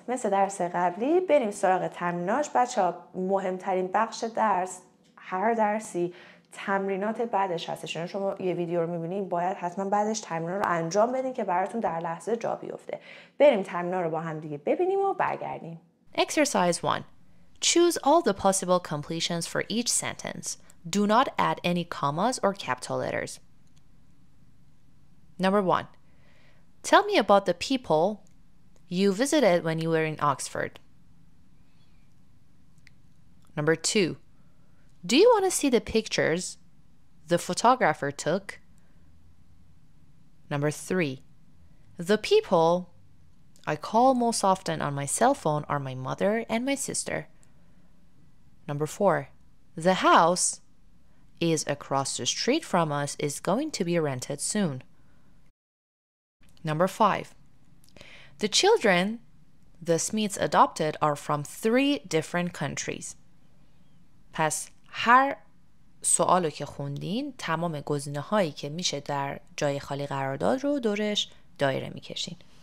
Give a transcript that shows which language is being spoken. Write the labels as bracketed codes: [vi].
[fa] مثل درس قبلی بریم سراغ تمریناش. بچه ها مهمترین بخش درس هر درسی تمرینات بعدش هستش. شما یه ویدیو رو میبینید باید حتما بعدش تمرین رو انجام بدین که براتون در لحظه جا بیفته. بریم تمرین رو با هم دیگه ببینیم و برگردیم. [en] Exercise 1. Choose all the possible completions for each sentence. Do not add any commas or capital letters. Number 1. Tell me about the people you visited when you were in Oxford. Number 2. Do you want to see the pictures the photographer took. Number three, the people I call most often on my cell phone are my mother and my sister. Number four, the house is across the street from us is going to be rented soon. Number five, the children the Smiths adopted are from three different countries. [fa] پس هر سوالو که خوندین تمام گزینه هایی که میشه در جای خالی قرار داد رو دورش دایره میکشین.